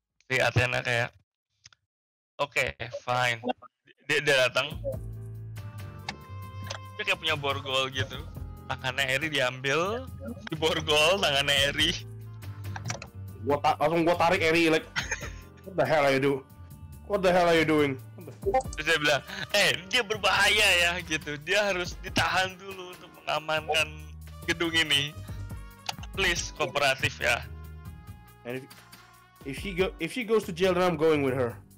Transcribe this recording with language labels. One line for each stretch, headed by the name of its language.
Indonesian: Si Athena kayak oke,
English: okay, fine.
Indonesian: Dia datang. Dia kayak punya borgol gitu. Tangannya Eri diambil, di borgol tangannya Eri. Langsung gua tarik Eri
English: like what the hell are you doing? What the
Indonesian: Terus dia bilang, dia berbahaya ya gitu. Dia harus ditahan dulu untuk mengamankan gedung ini. Please, kooperatif ya.
English: And if she goes to jail, then I'm going with her.